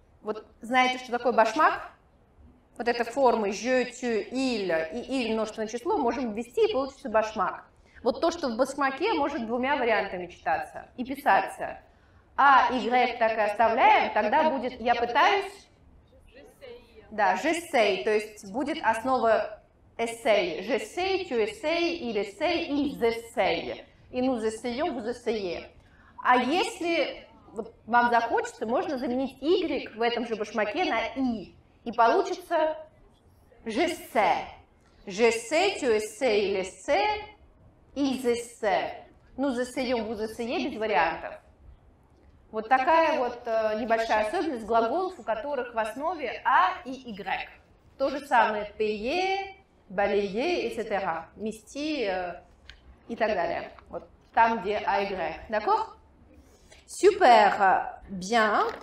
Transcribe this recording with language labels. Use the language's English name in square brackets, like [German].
[Russian] Вот знаете, что такое башмак? Вот это формы je, tu, il и il множественное число можем ввести и получится башмак. Вот то, что в башмаке, может двумя вариантами читаться и писаться. А и y так и оставляем, тогда будет я пытаюсь... Да, [French] j'essaye, [Russian] то есть будет основа essay. [French] J'essaye, tu essay, il essay, ils essay. И nous essayons, vous essayez. [Russian] А если вам захочется, можно заменить y в этом же башмаке на i. И получится [French] j'essaie. J'essaie, tu essay, il essay, ils essay. Nous essayons, vous essayez, [Russian] без вариантов. Вот такая вот небольшая особенность глаголов, у которых в основе «а» и «y». То же самое «payer», «balayer», etc. «Мести» и так далее. Вот там, где «а» и «y». [French] D'accord? Super! Bien!